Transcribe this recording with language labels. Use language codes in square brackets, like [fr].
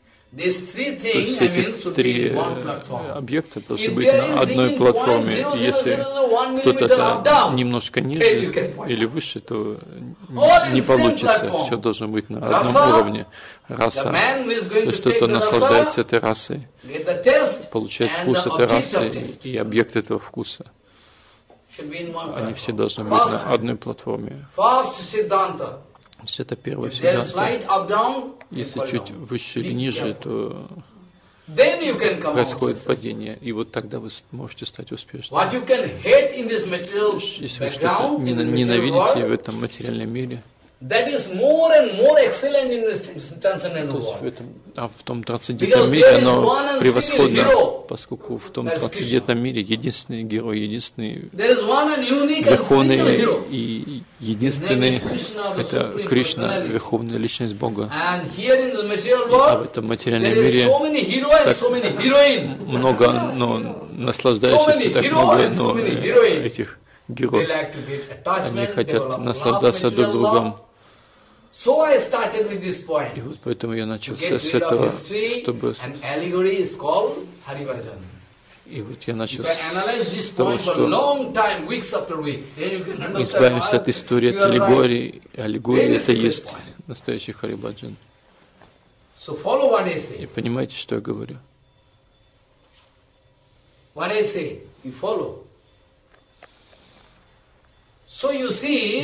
[en] These three things, I mean, should be one platform. [ru] Объекты должны быть на одной платформе. Если кто-то немножко ниже или выше, то не получится. Все должно быть на одном уровне. Раса. То есть кто-то наслаждается этой расой, получает вкус этой расы и объект этого вкуса. Они все должны быть [en] first, [ru] на одной платформе. [en] Siddhanta. [ru] То есть это первый Siddhanta. [en] Up, down, [ru] если чуть выше или ниже, то [en] then you can come [ru] происходит падение, и вот тогда вы можете стать успешным. [en] What you can hate in this material background, [ru] ненавидите в этом материальном мире, [en] that is more and more excellent in this transcendental world. [ru] А в том трансцендентном мире оно превосходно, поскольку в том трансцендентном мире единственный герой, единственный верховный и единственный – это Кришна, верховная личность Бога. А в этом материальном мире так много, но наслаждающихся так много, но этих героев, они хотят наслаждаться друг другом. [en] So I started with this point. [ru] И вот поэтому я начал с этого, чтобы. [en] An allegory is called Haribhajan. [ru] И вот я начал с того, что. [en] Long time, weeks after week, then you can understand. [ru] Избавимся от истории от аллегории. Аллегория это есть настоящий Харибаджан. [en] So follow what I say. [ru] И понимаете, что я говорю? [en] What I say, you follow. So you see,